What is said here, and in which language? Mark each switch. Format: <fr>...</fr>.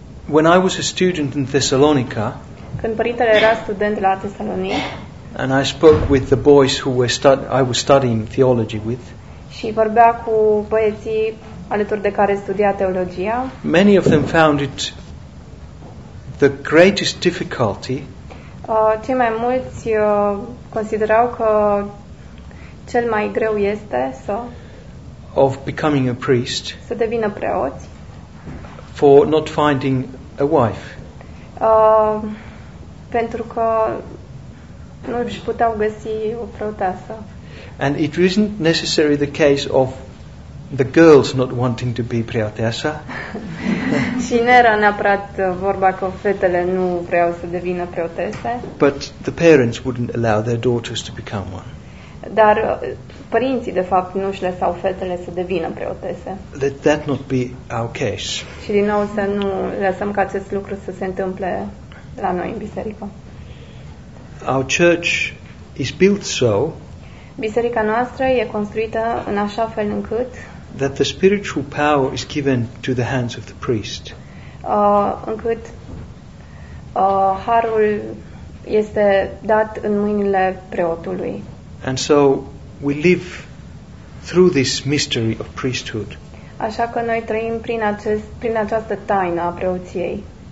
<en>When I was a student in Thessalonica,</en> <ro>când părintele era student la Tesalonic,</ro> <en>and I spoke with the boys who were I was studying theology with,</en> <ro>și vorbea cu băieții alături de care studia teologia,</ro> <en>many of them found it the greatest difficulty.</en> <ro>Cei mai mulți considerau că cel mai greu este să</ro> <en>of becoming a priest,</en> <ro>să devină preoți,</ro> <en>for not finding a wife.</en> <ro>Pentru că nu își puteau găsi o preoteasă.</ro> <en>And it isn't necessarily the case of the girls not wanting to be preoteasa.</en> <ro>Și nu era neapărat vorba că fetele nu vreau să devină preotese.</ro> <en>But the parents wouldn't allow their daughters to become one.</en> <ro>Dar părinții de fapt nu își lăsau fetele să devină preotese.</ro> <en>Let that not be our case.</en> <ro>Și din nou să nu lăsăm ca acest lucru să se întâmple la noi în biserică.</ro> <en>Our church is built so.</en> <ro>Biserica noastră e construită în așa fel încât</ro> <en>that the spiritual power is given to the hands of the priest.</en> <ro>Încât harul este dat în mâinile preotului.</ro> <en>And so we live through this mystery of priesthood.</en> <ro>Așa că noi trăim prin prin această taină a preoției.</ro>